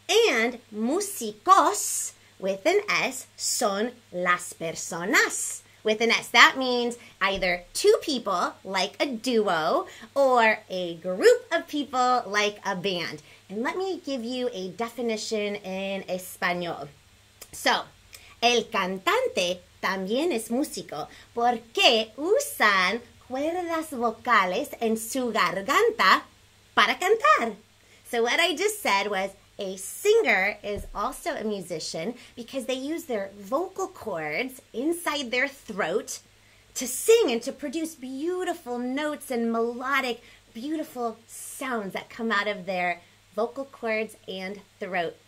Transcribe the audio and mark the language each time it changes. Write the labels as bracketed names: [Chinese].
[English] And músicos with an S [Spanish] son las personas. [English] With an S, that means either two people, like a duo, or a group of people, like a band. And let me give you a definition in Espanol. [Spanish] So, el cantante también es músico porque usan cuerdas vocales en su garganta para cantar. [English] So what I just said was, a singer is also a musician because they use their vocal cords inside their throat to sing and to produce beautiful notes and melodic, beautiful sounds that come out of their vocal cords and throat.